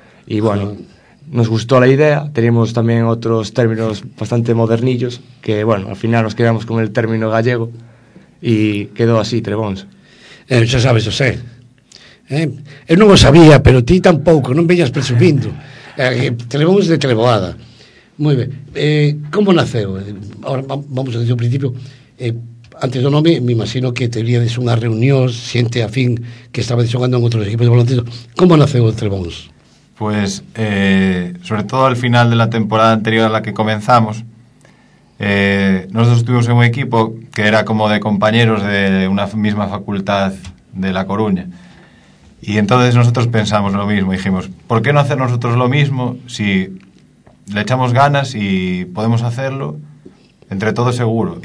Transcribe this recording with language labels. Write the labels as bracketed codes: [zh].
[es] Y bueno, nos gustó la idea. Teníamos también otros términos bastante modernillos, que bueno, al final nos quedamos con el término gallego y quedó así, Trebons. Ya sabes, José. Él no lo sabía, pero ti tampoco, no me vayas presumiendo. Trebons de treboada. Muy bien. ¿Cómo nació? Ahora vamos a decir un principio. [gl] Antes do nome, me imagino que teríades unha reunión, xente afín que estaba xogando en outros equipos de baloncesto. Como naceu o Trebons? [es] Pues, sobre todo al final de la temporada anterior a la que comenzamos, nosotros tuvimos un equipo que era como de compañeros de una misma facultad de La Coruña. Y entonces nosotros pensamos lo mismo, dijimos, ¿por qué no hacer nosotros lo mismo si le echamos ganas y podemos hacerlo entre todos seguro?